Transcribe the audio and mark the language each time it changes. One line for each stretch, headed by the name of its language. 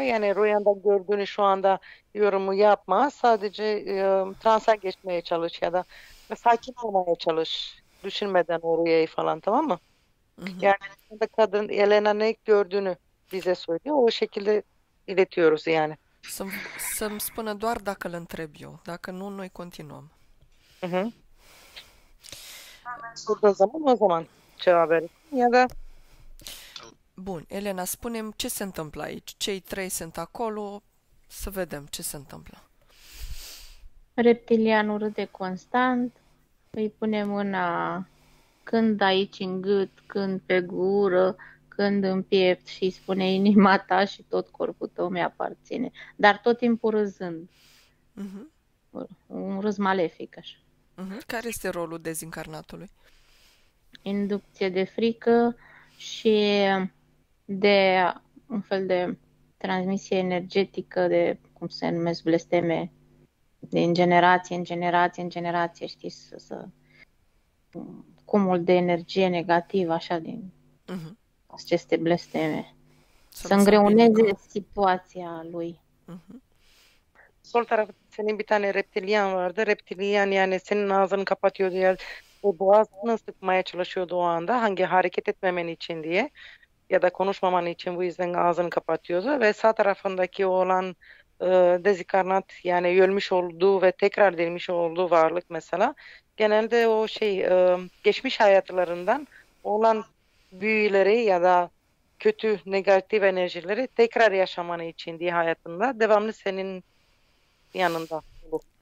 Turkish: Yani rüyanda gördüğünü şu anda yorumu yapma. Sadece transa geçmeye çalış ya da sakin olmaya çalış. Düşünmeden o rüyayı falan, tamam mı? Yani kadın Elena ne gördüğünü bize söylüyor. O şekilde iletiyoruz yani.
Romanian: Să-mi spună doar dacă îl întreb eu. Dacă nu, noi continuăm.
Turkish: O zaman cevap verirsin ya da
Romanian: Bun, Elena, spune-mi ce se întâmplă aici. Cei trei sunt acolo. Să vedem ce se întâmplă. reptilianul râde constant, îi pune mâna când aici în gât, când pe gură, când în piept și îi spune inima ta și tot corpul tău mi-aparține, dar tot timpul râzând. Un râs malefic, așa. Care este rolul dezincarnatului? Inducție de frică și de un fel de transmisie energetică, de cum se numesc blesteme, din generație în generație în generație, știi, să cumul de energie negativă, așa, din aceste blesteme, Să să nu se împingă îngreuneze ca. situația lui.
Turkish: Sol taraf senin bir tane reptilian vardı. Reptilian yani senin ağzını kapatıyordu ya. O boğazını sıkmaya çalışıyordu o anda. Hangi hareket etmemen için diye. Ya da konuşmaman için, bu yüzden ağzını kapatıyordu. Ve sağ tarafındaki olan dezikarnat, yani yölmüş olduğu ve tekrar dirilmiş olduğu varlık mesela, genelde o geçmiş hayatlarından olan büyüleri ya da kötü negatif enerjileri tekrar yaşamanı için diye hayatında devamlı senin yanında olur.